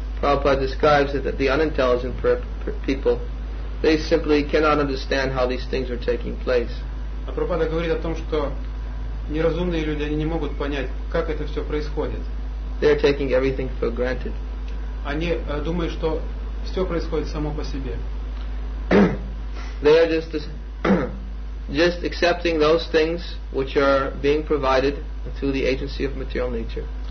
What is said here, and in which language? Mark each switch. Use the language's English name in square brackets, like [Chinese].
[English] Prabhupada describes it that the unintelligent people, they simply cannot understand how these things are taking place. [Russian] Prabhupada говорит о том, что неразумные люди, они не могут понять, как это все происходит. [English] They are taking everything for granted. [Russian] Они думают, что все происходит само по себе. [English] They are just accepting those things which are being provided through the agency of material nature.